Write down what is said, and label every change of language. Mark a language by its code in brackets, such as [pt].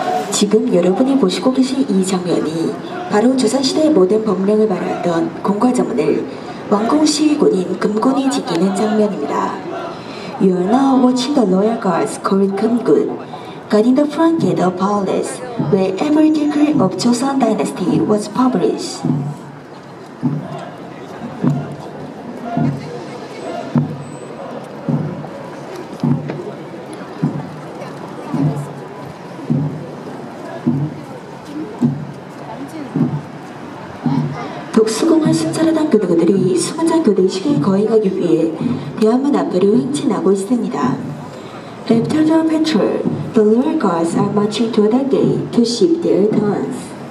[ko] 지금 여러분이 보시고 계신 이 장면이 바로 조선시대의 모든 법령을 발효하던 공과정문을 왕궁시위군인 금군이 지키는 장면입니다. [en] You are now watching the royal guards called 금군 guarding the front gate of palace where every decree of Joseon dynasty was published. [ko] 독수궁을 순찰하던 그들이 수문장 교대식을 거행하기 위해 대한문 앞으로 행진하고 있습니다. [en] After the patrol, the royal guards are marching to the gate to shift their turns.